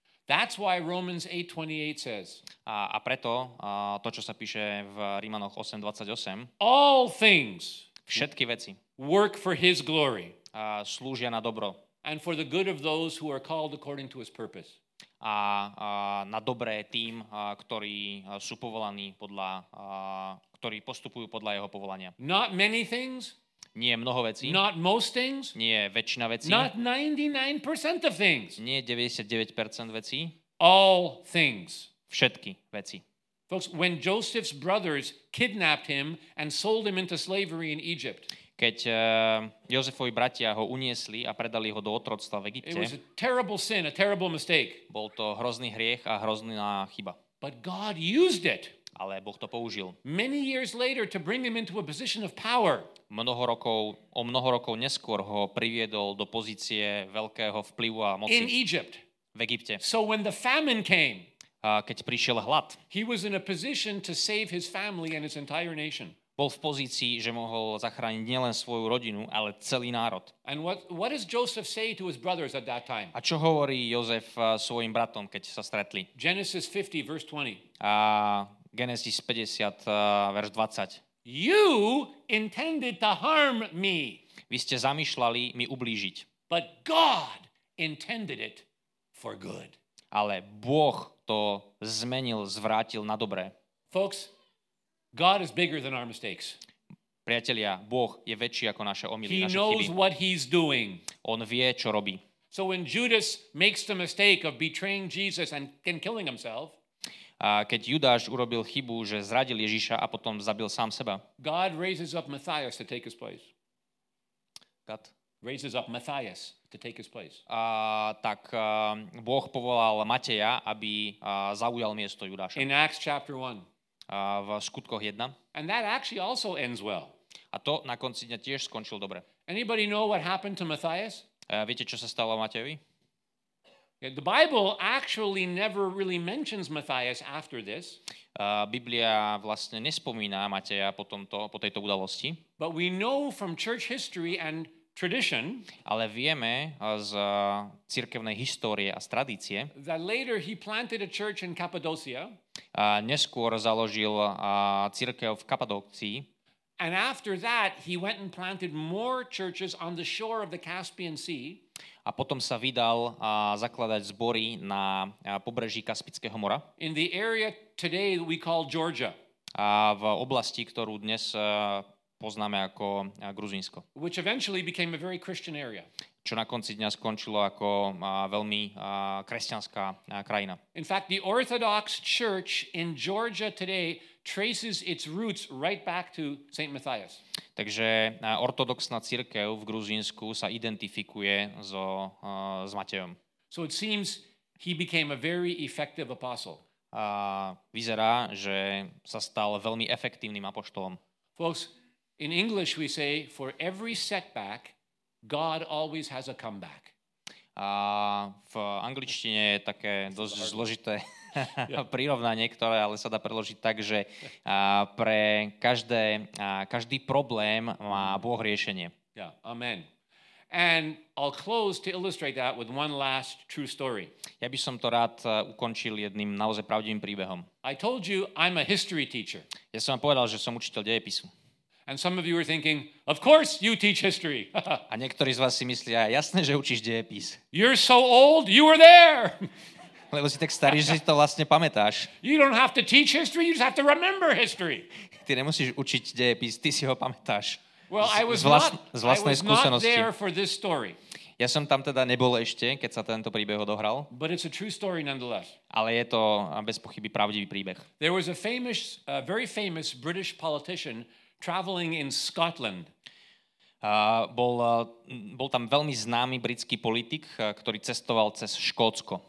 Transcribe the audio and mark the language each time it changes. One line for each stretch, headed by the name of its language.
English: That's why Romans 8:28 says.
Slovak: A preto to, čo sa píše v Rímanoch 8:28.
English: All things.
Slovak: Všetky veci.
English: Work for his glory.
Slovak: A slúžia na dobro.
English: And for the good of those who are called according to his purpose.
Slovak: A na dobré tým, ktorí sú povolaní podľa, ktorí postupujú podľa jeho povolania.
English: Not many things.
Slovak: Nie mnoho vecí.
English: Not most things.
Slovak: Nie väčšina vecí.
English: Not 99% of things.
Slovak: Nie 99% vecí.
English: All things.
Slovak: Všetky veci.
English: Folks, when Joseph's brothers kidnapped him and sold him into slavery in Egypt.
Slovak: Keď Jozefovi bratia ho uniesli a predali ho do otroctva v Egypte.
English: It was a terrible sin, a terrible mistake.
Slovak: Bol to hrozný hriech a hrozná chyba.
English: But God used it.
Slovak: Ale Boh to použil.
English: Many years later to bring him into a position of power.
Slovak: O mnoho rokov neskôr ho priviedol do pozície veľkého vplyvu a moci.
English: In Egypt.
Slovak: V Egypte.
English: So when the famine came,
Slovak: keď prišiel hlad,
English: he was in a position to save his family and his entire nation.
Slovak: Bol v pozícii, že mohol zachrániť nielen svoju rodinu, ale celý národ.
English: And what does Joseph say to his brothers at that time?
Slovak: A čo hovorí Jozef svojim bratom, keď sa stretli?
English: Genesis 50 verse 20.
Slovak: A Genesis 50 verš 20.
English: You intended to harm me.
Slovak: Vy ste zamýšľali mi ublížiť.
English: But God intended it for good.
Slovak: Ale Boh to zmenil, zvrátil na dobré.
English: Folks, God is bigger than our mistakes.
Slovak: Priatelia, Boh je väčší ako naše omily, naše chyby.
English: He knows what he's doing.
Slovak: On vie, čo robí.
English: So when Judas makes the mistake of betraying Jesus and killing himself,
Slovak: keď Judáš urobil chybu, že zradil Ježiša a potom zabil sám seba,
English: God raises up Matthias to take his place. God raises up Matthias to take his place.
Slovak: Tak Boh povolal Mateja, aby zaujal miesto Judáša.
English: In Acts chapter 1.
Slovak: V skutkoch 1.
English: And that actually also ends well.
Slovak: A to na konci dňa tiež skončil dobre.
English: Anybody know what happened to Matthias?
Slovak: Viete, čo sa stalo Matejovi?
English: Yeah, the Bible actually never really mentions Matthias after this.
Slovak: Biblia vlastne nespomína Mateja po tejto udalosti.
English: But we know from church history and tradition,
Slovak: ale vieme z cirkevnej histórie a z tradície,
English: that later he planted a church in Cappadocia.
Slovak: Neskôr založil cirkev v Kapadokcii.
English: And after that, he went and planted more churches on the shore of the Caspian Sea.
Slovak: A potom sa vydal zakladať zbory na pobreží Kaspického mora.
English: In the area today we call Georgia.
Slovak: A v oblasti, ktorú dnes poznáme ako Gruzínsko.
English: Which eventually became a very Christian area.
Slovak: Čo na konci dňa skončilo ako veľmi kresťanská krajina.
English: In fact, the Orthodox Church in Georgia today traces its roots right back to St. Matthias.
Slovak: Takže ortodoxná cirkev v Gruzínsku sa identifikuje s Matejom.
English: So it seems he became a very effective apostle.
Slovak: A vyzerá, že sa stal veľmi efektívnym apoštolom.
English: Folks, in English we say, for every setback, God always has a comeback.
Slovak: A v angličtine je také dosť zložité prirovnanie, ktoré ale sa dá preložiť tak, že pre každý problém má Boh riešenie.
English: Yeah, amen. And I'll close to illustrate that with one last true story.
Slovak: Ja by som to rád ukončil jedným naozaj pravdivým príbehom.
English: I told you I'm a history teacher.
Slovak: Ja som vám povedal, že som učiteľ dejepisu.
English: And some of you are thinking, of course you teach history.
Slovak: A niektorí z vás si myslia, jasné, že učíš dejepis.
English: You're so old, you were there.
Slovak: Lebo si tak starý, že si to vlastne pamätáš.
English: You don't have to teach history, you just have to remember history.
Slovak: Ty nemusíš učiť dejepis, ty si ho pamätáš.
English: Well,
Slovak: z vlastnej skúsenosti.
English: Not there for this story.
Slovak: Ja som tam teda nebol ešte, keď sa tento príbeh odohral.
English: But it's a true story nonetheless.
Slovak: Ale je to bez pochyby pravdivý príbeh.
English: There was a very famous British politician traveling in Scotland.
Slovak: Bol tam veľmi známy britský politik, ktorý cestoval cez Škótsko.